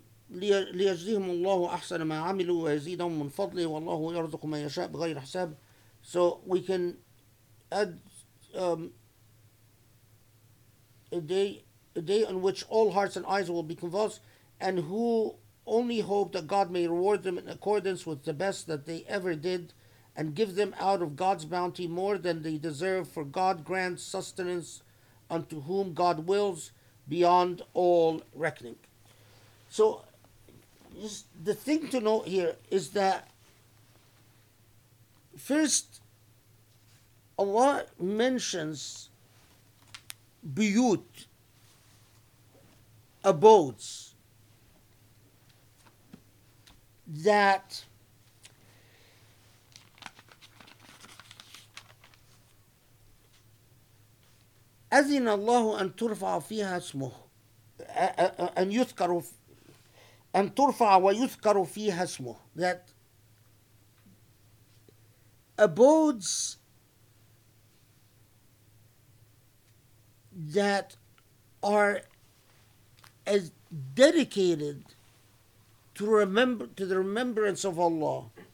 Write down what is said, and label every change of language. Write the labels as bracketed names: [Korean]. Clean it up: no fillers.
[Arabic] ليجزيهم الله أحسن ما عملوا ويزيدهم من فضله والله يرزق من يشاء بغير حساب. [English] So we can add a day on which all hearts and eyes will be convulsed, and who only hope that God may reward them in accordance with the best that they ever did, and give them out of God's bounty more than they deserve, for God grants sustenance unto whom God wills beyond all reckoning. So the thing to note here is that first, Allah mentions buyut, abodes, that [Arabic] أذن الله أن ترفع فيها اسمه أن يذكر أن ترفع ويذكر فيها اسمه. [English] That abodes that are as dedicated to remember, to the remembrance of Allah.